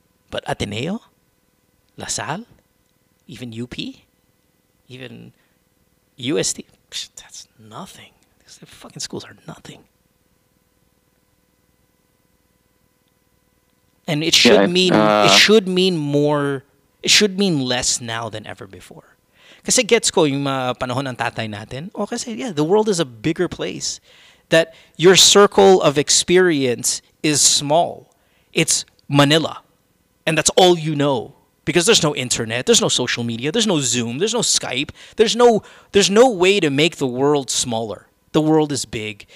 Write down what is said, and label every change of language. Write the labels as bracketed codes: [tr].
[en] But Ateneo, La Salle, even UP, even USD, that's nothing. These fucking schools are nothing. And it should mean less now than ever before. [tl] Kasi gets ko yung panahon ng tatay natin. O kasi, [en] yeah, the world is a bigger place. That your circle of experience is small. It's Manila. And that's all you know. Because there's no internet, there's no social media, there's no Zoom, there's no Skype, there's no way to make the world smaller. The world is big.